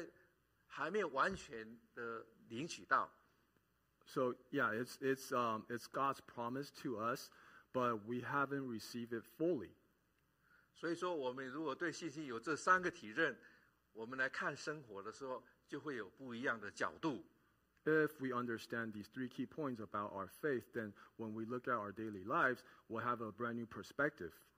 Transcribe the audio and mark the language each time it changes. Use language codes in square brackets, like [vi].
[zh] 神说成就成，他给我们的应许就是成就了，但是我们现在还没有完全的领取到。 [en] So yeah, it's God's promise to us, but we haven't received it fully. [zh] 所以说，我们如果对信心有这三个体认，我们来看生活的时候。 [en] If we understand these three key points about our faith, then when we look at our daily lives, we'll have a brand new perspective.